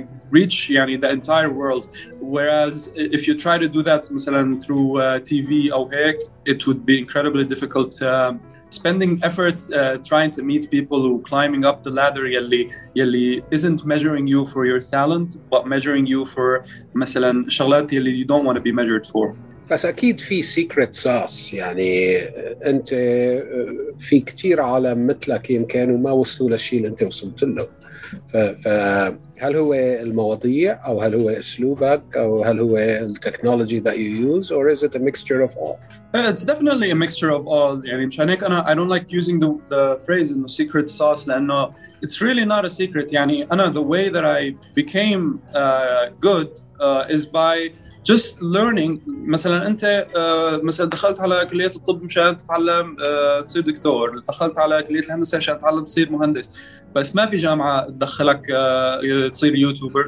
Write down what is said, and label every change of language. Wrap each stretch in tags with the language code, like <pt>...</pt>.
<en>reach يعني the entire world whereas if you try to do that مثلا through TV or هيك it would be incredibly difficult spending effort trying to meet people who climbing up the ladder يلي isn't measuring you for your talent but measuring you for</en> <ar>مثلا شغلات يلي</ar> <en>you don't want to be measured for</en> <ar>بس اكيد في secret sauce يعني انت في كتير عالم مثلك يمكن وما وصلوا للشيء اللي انت وصلت له فهل هو المواضيع او هل هو اسلوبك او هل هو التكنولوجي</ar> <en>that you use or is it a mixture of all It's definitely a mixture of all.</en> <ar>يعني مشان هيك أنا</ar> <en>I don't like using the phrase in the secret sauce لأنه it's really not a secret. يعني أنا the way that I became good is by just learning.</en> <ar>مثلا أنت مثلا دخلت على كلية الطب مشان تتعلم تصير دكتور. دخلت على كلية الهندسة مشان تتعلم تصير مهندس. بس ما في جامعة تدخلك تصير يوتيوبر.</ar>